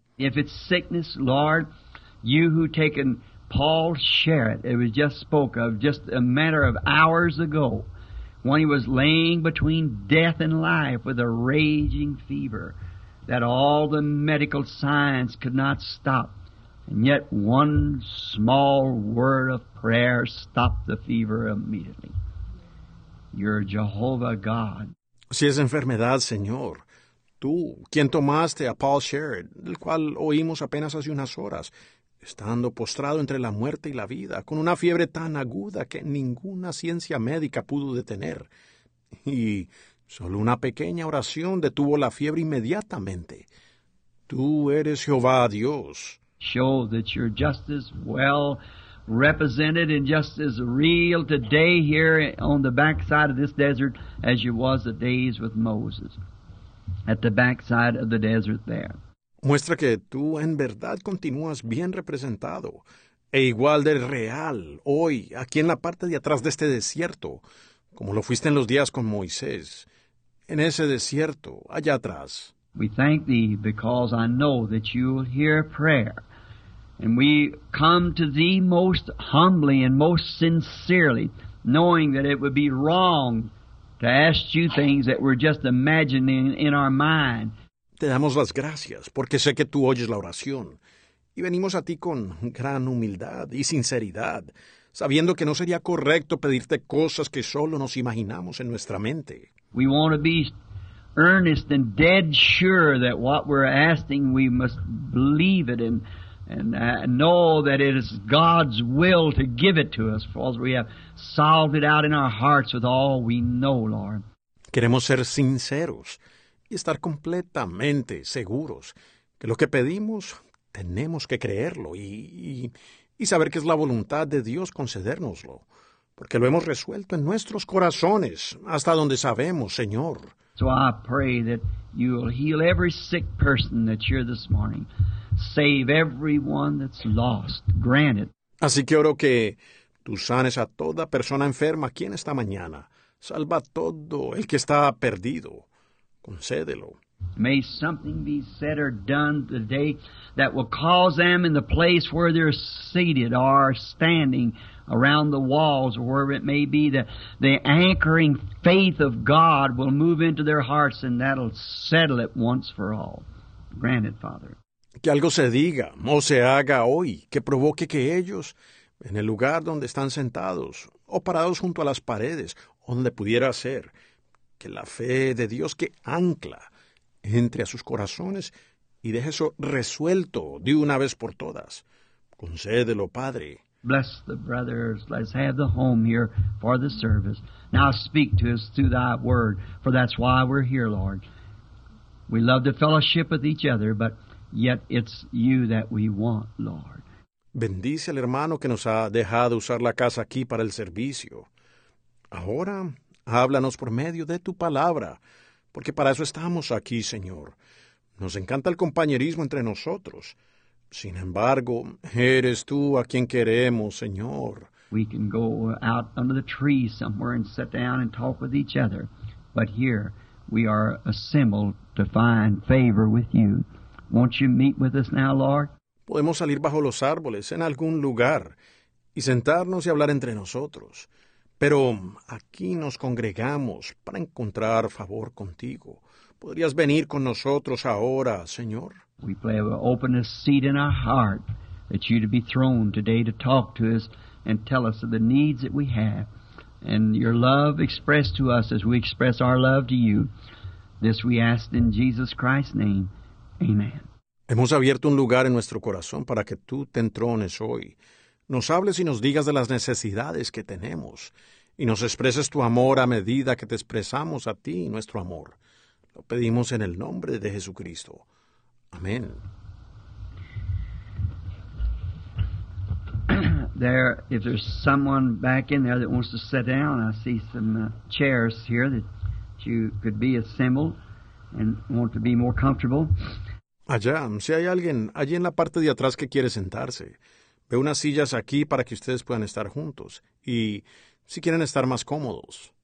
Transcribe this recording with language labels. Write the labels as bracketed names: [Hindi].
[English] If it's sickness, Lord, you who taken Paul Sherritt, it was just spoke of just a matter of hours ago, when he was laying between death and life with a raging fever that all the medical science could not stop. And yet one small word of prayer stopped the fever immediately. You're Jehovah God. [Spanish] Si es enfermedad, Señor, tú, quien tomaste a Paul Sherritt, del cual oímos apenas hace unas horas, estando postrado entre la muerte y la vida, con una fiebre tan aguda que ninguna ciencia médica pudo detener. Y solo una pequeña oración detuvo la fiebre inmediatamente. Tú eres Jehová Dios. [English] Show that you're just as well represented and just as real today here on the backside of this desert as you was the days with Moses. At the backside of the desert there. [Spanish] Muestra que tú en verdad continúas bien representado e igual de real hoy, aquí en la parte de atrás de este desierto, como lo fuiste en los días con Moisés, en ese desierto, allá atrás. [English] We thank thee because I know that you will hear prayer. And we come to thee most humbly and most sincerely, knowing that it would be wrong to ask you things that we're just imagining in our mind. [Spanish] Te damos las gracias, porque sé que tú oyes la oración, y venimos a ti con gran humildad y sinceridad, sabiendo que no sería correcto pedirte cosas que solo nos imaginamos en nuestra mente. [English] We want to be earnest and dead sure that what we're asking, we must believe it and know that it is God's will to give it to us, for we have solved it out in our hearts with all we know, Lord. [Spanish] Queremos ser sinceros y estar completamente seguros que lo que pedimos, tenemos que creerlo y saber que es la voluntad de Dios concedérnoslo, porque lo hemos resuelto en nuestros corazones hasta donde sabemos, Señor. [English] So I pray that you will heal every sick person that's here this morning. Save everyone that's lost. Grant it. [Spanish] Así que oro que tú sanes a toda persona enferma aquí en esta mañana. Salva a todo el que está perdido. Concédelo. [English] May something be said or done today that will cause them in the place where they're seated or standing around the walls or wherever it may be, that the anchoring faith of God will move into their hearts and that'll settle it once for all. Grant it, Father. [Spanish] Que algo se diga o se haga hoy que provoque que ellos, en el lugar donde están sentados o parados junto a las paredes, donde pudiera ser, que la fe de Dios que ancla entre a sus corazones y deje eso resuelto de una vez por todas. Concédelo, Padre. [English] Bless the brothers. Let's have the home here for the service. Now speak to us through thy word, for that's why we're here, Lord. We love to fellowship with each other, but yet it's you that we want, Lord. [Spanish] Bendice al hermano que nos ha dejado usar la casa aquí para el servicio. Ahora, háblanos por medio de tu palabra, porque para eso estamos aquí, Señor. Nos encanta el compañerismo entre nosotros. Sin embargo, eres tú a quien queremos, Señor. [English] We can go out under the trees somewhere and sit down and talk with each other. But here, we are assembled to find favor with you. Won't you meet with us now, Lord? [Spanish] Podemos salir bajo los árboles en algún lugar y sentarnos y hablar entre nosotros. Pero aquí nos congregamos para encontrar favor contigo. ¿Podrías venir con nosotros ahora, Señor? [English] We play an open seat in our heart that you'd be thrown today to talk to us and tell us of the needs that we have and your love expressed to us as we express our love to you. This we ask in Jesus Christ's name. Amen. [Spanish] Hemos abierto un lugar en nuestro corazón para que tú te entrones hoy. Nos hables y nos digas de las necesidades que tenemos y nos expreses tu amor a medida que te expresamos a ti nuestro amor. Lo pedimos en el nombre de Jesucristo. Amen. [English] There, if there's someone back in there that wants to sit down, I see some chairs here that you could be assembled and want to be more comfortable. [Spanish] Allá, si hay alguien allí en la parte de atrás que quiere sentarse, ve unas sillas aquí para que ustedes puedan estar juntos y si quieren estar más cómodos.